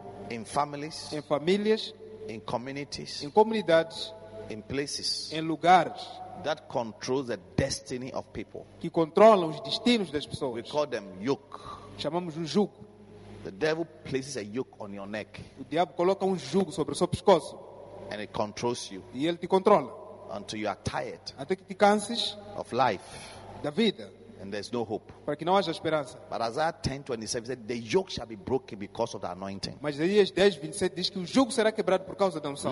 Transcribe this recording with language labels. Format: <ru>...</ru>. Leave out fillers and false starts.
<en>In families.</en> <pt>Em famílias.</pt> <en>In communities.</en> <pt>Em comunidades.</pt> <en>In places.</en> <pt>Em lugares.</pt> <en>That control the destiny of people.</en> <pt>Que controla os destinos das pessoas.</pt> <en>We call them yoke.</en> <pt>Chamamos um jugo.</pt> <en>The devil places a yoke on your neck.</en> <pt>O diabo coloca um jugo sobre o seu pescoço.</pt> <en>And it controls you.</en> <pt>E ele te controla.</pt> <en>Until you are tired.</en> <pt>Até que te canses.</pt> <en>Of life.</en> <pt>Da vida.</pt> <en>And there's no hope.</en> <pt>Para que não haja esperança.</pt> <en>But Isaiah 10:27 said the yoke shall be broken because of the anointing.</en> <pt>Mas Isaías 10:27 diz que o jugo será quebrado por causa da unção.</pt>